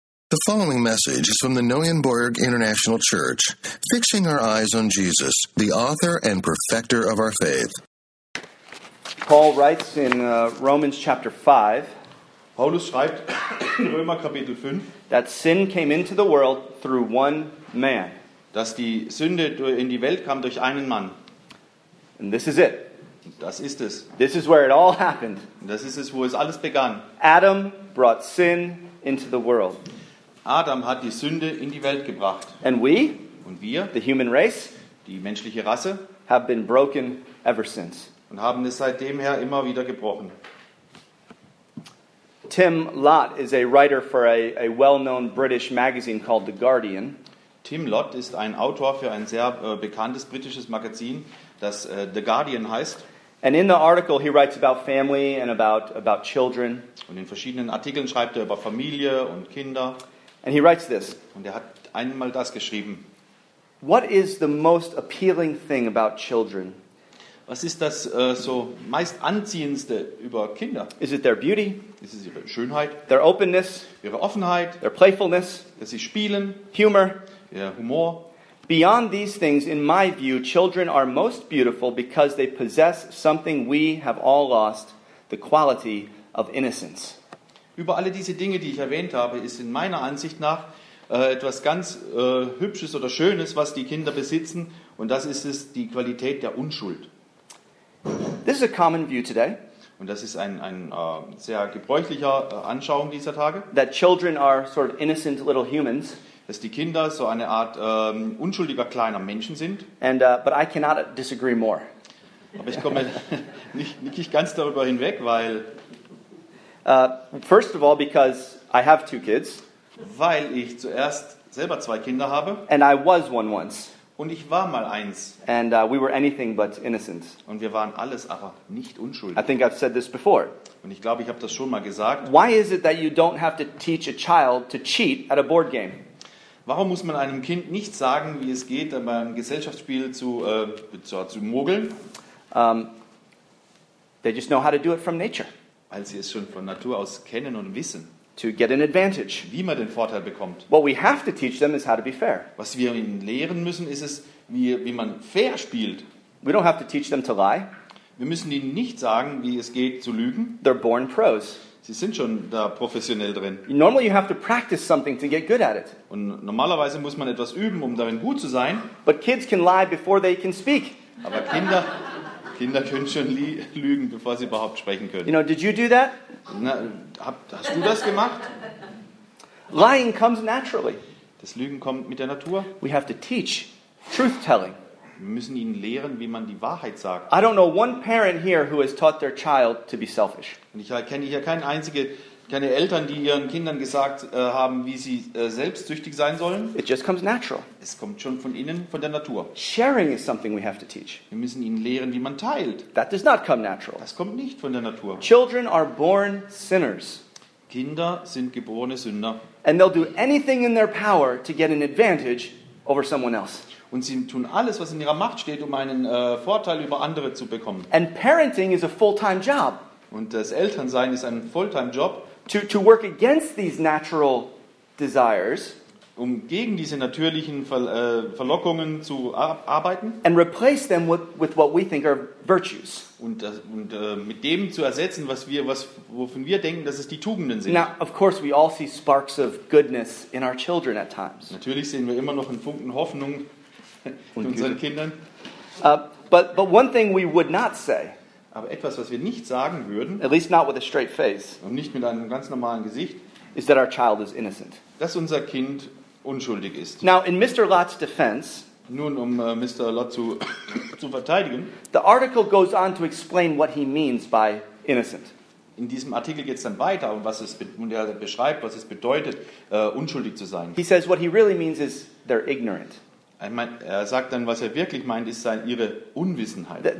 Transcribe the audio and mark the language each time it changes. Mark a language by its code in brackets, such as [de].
[en] The following message is from the Neuenborg International Church, fixing our eyes on Jesus, the author and perfecter of our faith. Paul writes in Romans chapter 5, [de] Paulus schreibt in Römer Kapitel 5, [en] that sin came into the world through one man. [de] Dass die Sünde in die Welt kam durch einen Mann. [en] And this is it. [de] Das ist es. [en] This is where it all happened. [de] Das ist es, wo es alles begann. [en] Adam brought sin into the world. [de] Adam hat die Sünde in die Welt gebracht. [en] And we, [de] und wir, [en] the human race, [de] die menschliche Rasse, [en] have been broken ever since. [de] Und haben es seitdem her immer wieder gebrochen. [en] Tim Lott is a writer for a well-known British magazine called The Guardian. [de] Tim Lott ist ein Autor für ein sehr bekanntes britisches Magazin, das The Guardian heißt. [en] And in the article he writes about family and about children. [de] Und in verschiedenen Artikeln schreibt er über Familie und Kinder. [en] And he writes this. [de] Und hat einmal das geschrieben. [en] What is the most appealing thing about children? [de] Was ist das so meist anziehendste über Kinder? [en] Is it their beauty? [de] Ist es ihre Schönheit? [en] Their openness? [de] Ihre Offenheit? [en] Their playfulness? [de] Dass sie spielen? [en] Humor? [de] Ihr Humor? [en] Beyond these things, in my view, children are most beautiful because they possess something we have all lost, the quality of innocence. [de] Über alle diese Dinge, die ich erwähnt habe, ist in meiner Ansicht nach etwas ganz Hübsches oder Schönes, was die Kinder besitzen, und das ist es, die Qualität der Unschuld. [en] This is a common view today. [de] Und das ist ein sehr gebräuchlicher Anschauung dieser Tage. [en] That children are sort of innocent little humans. [de] Dass die Kinder so eine Art unschuldiger kleiner Menschen sind. [en] And but I cannot disagree more. [de] Aber ich komme nicht ganz darüber hinweg, weil [en] First of all, because I have two kids. [de] Weil ich zuerst selber zwei Kinder habe. [en] And I was one once. [de] Und ich war mal eins. [en] And we were anything but innocent. [de] Und wir waren alles aber nicht unschuldig. [en] I think I've said this before. [de] Und ich glaube, ich habe das schon mal gesagt. [en] Why is it that you don't have to teach a child to cheat at a board game? [de] Warum muss man einem Kind nicht sagen, wie es geht, beim Gesellschaftsspiel zu mogeln? [en] They just know how to do it from nature. [de] Als sie es schon von Natur aus kennen und wissen. [en] To get an advantage. [de] Wie man den Vorteil bekommt. [en] What we have to teach them is how to be fair. [de] Was wir ihnen lehren müssen, ist es, wie man fair spielt. [en] We don't have to teach them to lie. [de] Wir müssen ihnen nicht sagen, wie es geht, zu lügen. [en] They're born pros. [de] Sie sind schon da professionell drin. [en] Normally you have to practice something to get good at it. [de] Und normalerweise muss man etwas üben, um darin gut zu sein. [en] But kids can lie before they can speak. [de] Aber Kinder können schon lügen, bevor sie überhaupt sprechen können. [en] You know, did you do that? [de] Hast du das gemacht? [en] Lying comes naturally. [de] Das Lügen kommt mit der Natur. [en] We have to teach truth telling. [de] Wir müssen ihnen lehren, wie man die Wahrheit sagt. [en] I don't know one parent here who has taught their child to be selfish. [de] Und ich kenne hier keine Eltern, die ihren Kindern gesagt haben, wie sie selbstsüchtig sein sollen. [en] It just comes natural. [de] Es kommt schon von innen, von der Natur. [en] Sharing is something we have to teach. [de] Wir müssen ihnen lehren, wie man teilt. [en] That does not come natural. [de] Das kommt nicht von der Natur. [en] Children are born sinners. [de] Kinder sind geborene Sünder. [en] And they'll do anything in their power to get an advantage over someone else. [de] Und sie tun alles, was in ihrer Macht steht, um einen Vorteil über andere zu bekommen. [en] And parenting is a full-time job. [de] Und das Elternsein ist ein Fulltime-Job. [en] To work against these natural desires, [de] um gegen diese natürlichen Verlockungen zu arbeiten, [en] and replace them with what we think are virtues. [de] Und mit dem zu ersetzen, wovon wir denken, dass es die Tugenden sind. [en] Now, of course, we all see sparks of goodness in our children at times. [de] Natürlich sehen wir immer noch einen Funken Hoffnung in unseren Kindern. [en] But one thing we would not say. [de] Aber etwas, was wir nicht sagen würden, [en] at least not with a straight face, [de] und nicht mit einem ganz normalen Gesicht, [en] is that our child is innocent. [de] Dass unser Kind unschuldig ist. [en] Now, in Mr. Lott's defense, [de] nun, um Mr. Lott zu verteidigen, [en] the article goes on to explain what he means by innocent. [de] In diesem Artikel geht es dann weiter, und er beschreibt, was es bedeutet, unschuldig zu sein. [en] He says what he really means is they're ignorant. [de] Er sagt dann, was er wirklich meint, ist ihre Unwissenheit.